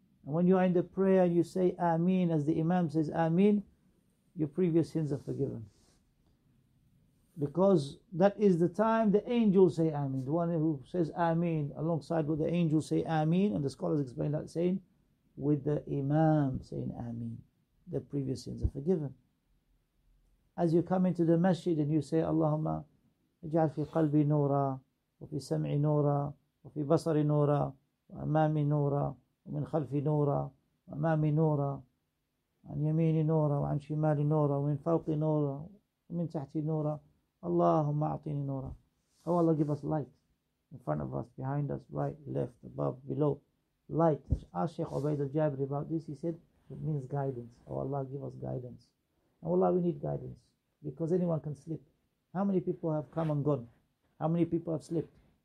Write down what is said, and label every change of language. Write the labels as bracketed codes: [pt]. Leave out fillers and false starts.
[en] And when you are in the prayer and you say Ameen, as the Imam says Ameen, your previous sins are forgiven. Because that is the time the angels say Ameen. The one who says Ameen alongside with the angels say Ameen, and the scholars explain that saying, with the Imam saying Ameen, the previous sins are forgiven. As you come into the masjid and you say, [ar] Allahumma, اجعل في قلبي نورا وفي سمعي نورا وفي بصري نورا وأمامي نورا ومن خلفي نورا وأمامي نورا عن يميني نورا وعن شمالي نورا ومن فوقي نورا ومن تحتي نورا اللهم أعطيني نورا. [en] Oh Allah, give us light in front of us, behind us, right, left, above, below. Light. Ask Sheikh Ubaid al-Jabri about this. He said it means guidance. Oh Allah, give us guidance. And Allah, we need guidance, because anyone can slip. How many people have come and gone? How many people have slipped?